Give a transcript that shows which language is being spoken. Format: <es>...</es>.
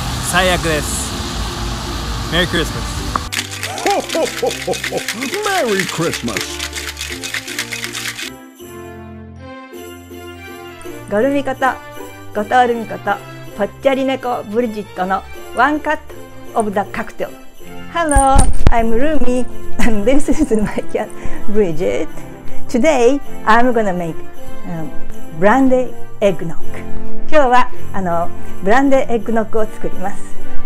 <ja>最悪です。メリークリスマス。ほほほほほ、メリークリスマス。ガルミカタガタールミカタパッチャリネコブリジットのワンカットオブザカクテル。</ja> <en>Hello, I'm Rumi and this is my cat Bridget. Today I'm gonna make ブランデーエッグノック。</en> <ja>今日はあのブランデーエッグノックを作ります。</ja>